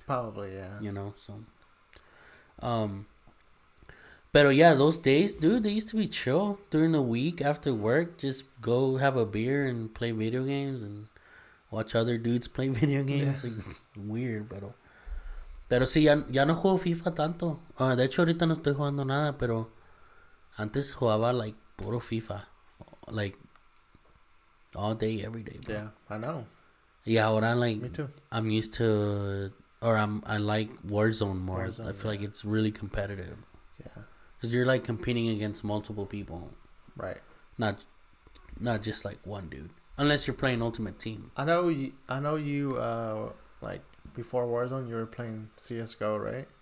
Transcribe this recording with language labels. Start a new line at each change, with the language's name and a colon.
English: Probably, yeah. You know, so... But yeah, those days, dude, they used to be chill during the week after work. Just go have a beer and play video games and watch other dudes play video games. Yes. Like, it's weird,
Spanish: pero sí, ya no juego FIFA tanto. De hecho, ahorita no estoy jugando nada, pero antes jugaba
English: like
Spanish: puro FIFA,
English: like all day, every day. Bro. Yeah, I know. Yeah,
Spanish: ahora
English: like me too. I'm used to, or I like Warzone more. Warzone, I feel like it's really competitive. Yeah. Because you're, like, competing against multiple people. Right. Not just, like, one dude. Unless you're playing Ultimate Team. I know you, like, before Warzone, you were playing CSGO, right?